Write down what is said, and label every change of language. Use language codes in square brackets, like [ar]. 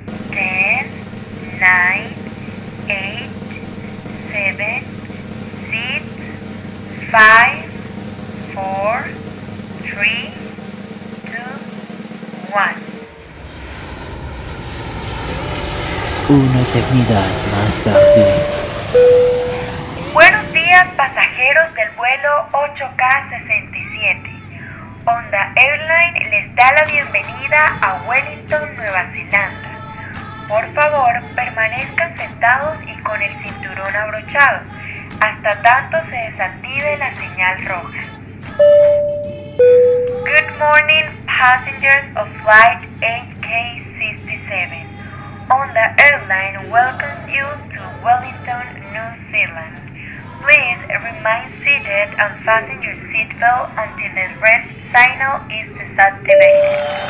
[en] Ten, nine, eight, seven, six, five, four, three, two, one. [es] Una eternidad más tarde. Buenos días, pasajeros del vuelo 8K67. Onda Airline les da la bienvenida a Wellington, Nueva Zelanda. Por favor, permanezcan sentados y con el cinturón abrochado, hasta tanto se desactive la señal roja. [en] Good morning, passengers of flight AK-67. Onda Airline welcomes you to Wellington, New Zealand. Please remain seated and fasten your seatbelt until the red signal is disactivated.